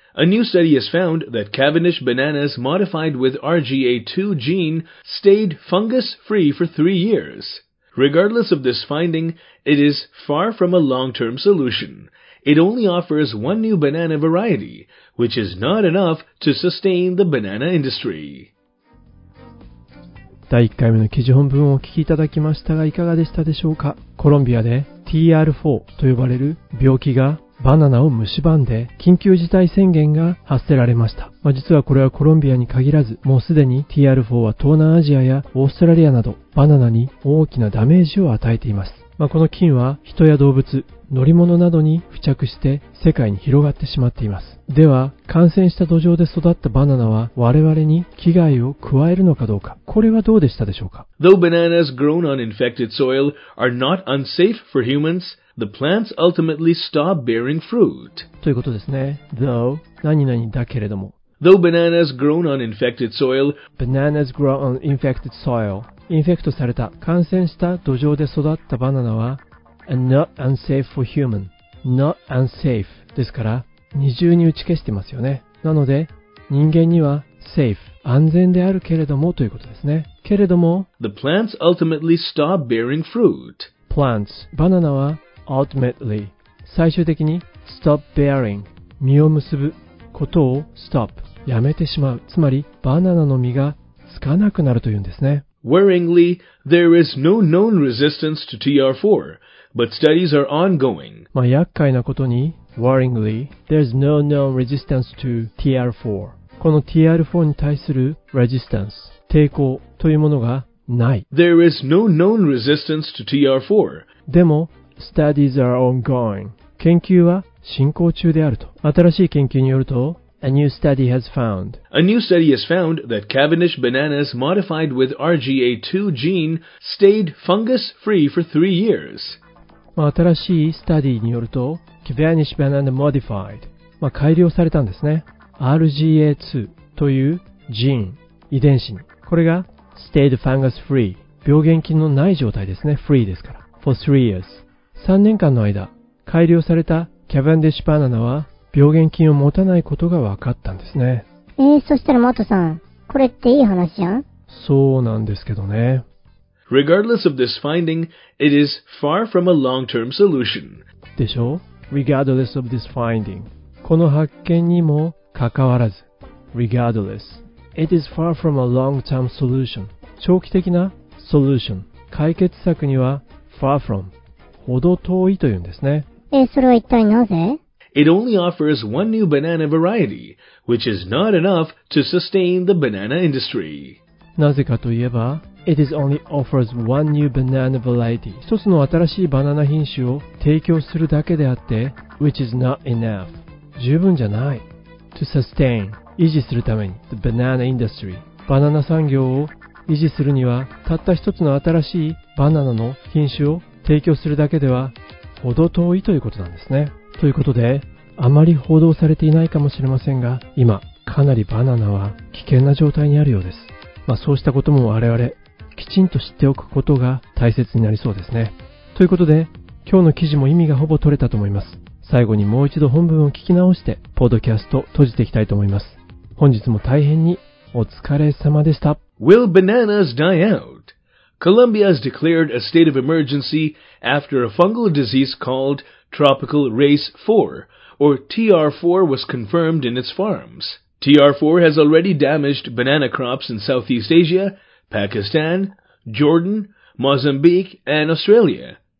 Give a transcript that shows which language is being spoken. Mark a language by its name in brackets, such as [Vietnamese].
[English] A new study has found that Cavendish bananas modified with RGA2 gene stayed fungus-free for 3 years. Regardless of this finding, it is far from a long-term solution. It only offers one new banana variety, which is not enough to sustain the banana industry. [Japanese] 第1回目の記事本文をお聞きいただきましたが、いかがでしたでしょうか。コロンビアで TR4 と呼ばれる病気がバナナを蝕んで緊急事態宣言が発せられました。まあ、実はこれはコロンビアに限らず、もうすでに TR4 は東南アジアやオーストラリアなどバナナに大きなダメージを与えています。まあ、この菌は人や動物、乗り物などに付着して世界に広がってしまっています。では、感染した土壌で育ったバナナは我々に危害を加えるのかどうか、これはどうでしたでしょうか。 [English] Though bananas grown on infected soil are not unsafe for humans, the plants ultimately stop bearing fruit. [Japanese] ということですね。 Though 何々だけれども。 [English] Though bananas grown on infected soil, bananas grown on infected soil. [Japanese] インフェクトされた、感染した土壌で育ったバナナは、 [English] not unsafe for human. Not unsafe. [Japanese] ですから、二重に打ち消してますよね。なので、人間には safe. 安全であるけれどもということですね。けれども、 [English] The plants ultimately stop bearing fruit. Plants. [Japanese] バナナは ultimately. 最終的に [English] stop bearing. [Japanese] 実を結ぶことを stop. やめてしまう。つまり、バナナの実がつかなくなるというんですね。 [English] Worryingly, there is no known resistance to TR4, but studies are ongoing. [Japanese] まあ、厄介なことに、 [English] worryingly, there's no known resistance to TR4. [Japanese] この TR4 に対する resistance, 抵抗というものがない。 [English] There is no known resistance to TR4. [Japanese] でも、 [English] studies are ongoing. [Japanese] 研究は進行中であると。新しい研究によると、 [English] A new study has found that Cavendish bananas modified with RGA2 gene stayed fungus-free for 3 years. [Japanese] まあ、新しいスタディによると、 [English] Cavendish banana modified、 [Japanese] まあ、改良されたんですね。 RGA2 というジーン、遺伝子に。これが [English] stayed fungus-free。 [Japanese] 病原菌のない状態ですね。free ですから。 [English] for 3 years。 [Japanese] 3年間の間、改良されたキャバンデシュバナナは病原菌を持たないことが分かったんですね。そしたらマトさん、これっていい話じゃん？そうなんですけどね。 [English] Regardless of this finding, it is far from a long-term solution. [Japanese] でしょ？ [English] Regardless of this finding. [Japanese] この発見にもかかわらず。 [English] Regardless. It is far from a long-term solution. [Japanese] 長期的な solution. 解決策には [English] far from. [Japanese] ほど遠いというんですね。それは一体なぜ？ [English] It only offers one new banana variety, which is not enough to sustain the banana industry. [Japanese] なぜかといえば、 [English] It is only offers one new banana variety. [Japanese] 一つの新しいバナナ品種を提供するだけであって、 [English] which is not enough. [Japanese] 十分じゃない。 [English] to sustain. [Japanese] 維持するために、 [English] the banana industry. [Japanese] バナナ産業を維持するには、たった一つの新しいバナナの品種を提供するだけでは、ほど遠いということなんですね。ということで、あまり報道されていないかもしれませんが、今、かなりバナナは危険な状態にあるようです。まあそうしたことも我々、きちんと知っておくことが大切になりそうですね。ということで、今日の記事も意味がほぼ取れたと思います。最後にもう一度本文を聞き直して、ポッドキャスト閉じていきたいと思います。本日も大変にお疲れ様でした。 [English] Will bananas die out? Colombia has declared a state of emergency after a fungal disease called Tropical Race 4, or TR4 was confirmed in its farms. TR4 has already damaged banana crops in Southeast Asia, Pakistan, Jordan, Mozambique, and Australia.